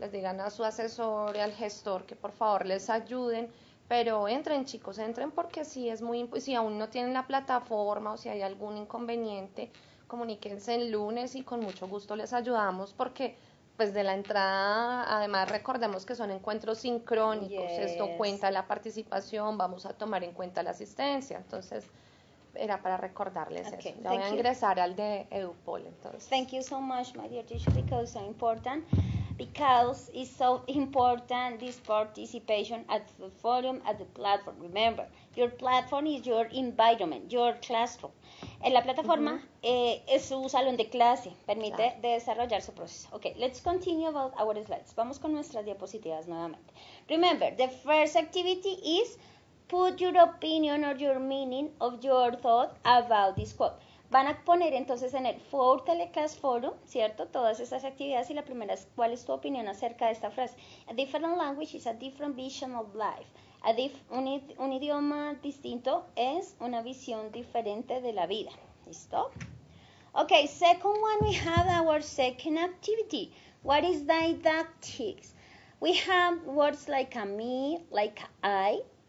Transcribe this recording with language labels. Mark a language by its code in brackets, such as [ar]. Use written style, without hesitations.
[es] Les digan a su asesor y al gestor que por favor les ayuden, pero entren chicos, entren porque sí es muy importante, si aún no tienen la plataforma o si hay algún inconveniente, comuníquense el lunes y con mucho gusto les ayudamos porque pues de la entrada, además recordemos que son encuentros sincrónicos, [en] yes. [es] esto cuenta la participación, vamos a tomar en cuenta la asistencia, entonces... Era para recordarles [en] okay, [es] eso. Ya voy a ingresar al de Edupol, entonces. [en] Thank you so much, my dear teacher, because it's so important. Because it's so important, this participation at the forum, at the platform. Remember, your platform is your environment, your classroom. [es] En la plataforma mm-hmm. Es su salón de clase. Permite claro. desarrollar su proceso. [en] Okay, let's continue about our slides. [es] Vamos con nuestras diapositivas nuevamente. [en] Remember, the first activity is... Put your opinion or your meaning of your thought about this quote. [es] Van a poner entonces en el For Teleclass Forum, ¿cierto? Todas esas actividades y la primera es, ¿cuál es tu opinión acerca de esta frase? [en] A different language is a different vision of life. [es] Un idioma distinto es una visión diferente de la vida. ¿Listo? [en] Okay, second one, we have our second activity. What is didactics? We have words like a me, like I.